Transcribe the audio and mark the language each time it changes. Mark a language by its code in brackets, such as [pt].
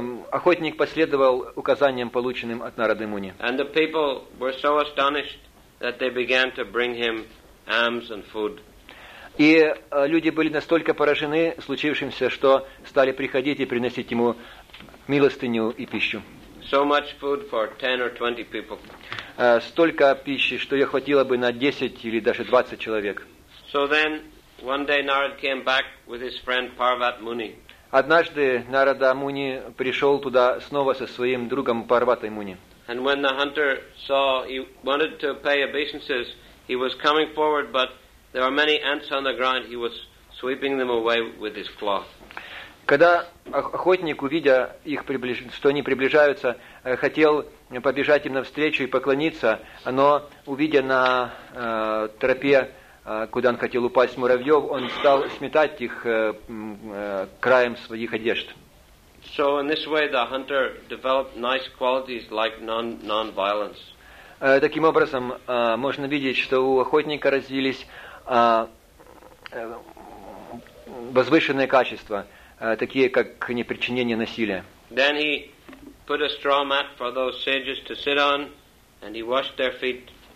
[ru] Охотник последовал указаниям, полученным от Нарады Муни. [en] And the people were so astonished that they began to bring him alms and food. [ru] И люди были настолько поражены случившимся, что стали приходить и приносить ему милостыню и пищу. [en] So much food for 10 or 20 people. [ru] Столько пищи, что ее хватило бы на 10 или даже 20 человек. [en] So then, one day Narad came back with his friend Parvat Muni. [ru] Однажды Нарада Муни пришел туда снова со своим другом Парватой Муни. [en] And when the hunter saw he wanted to pay obeisances, he was coming forward, but there were many ants on the ground. He was sweeping them away with his cloth. [ru] Когда охотник, увидя их, что они приближаются, хотел побежать им навстречу и поклониться, но, увидя на тропе, куда он хотел упасть, муравьев, он стал сметать их краем своих одежд. [en] So in this way the hunter developed nice qualities like non-violence. [ru] Таким образом, можно видеть, что у охотника развились возвышенные качества, такие как непричинение насилия. [en] Then he put a straw mat for those sages to sit on, and he washed their feet.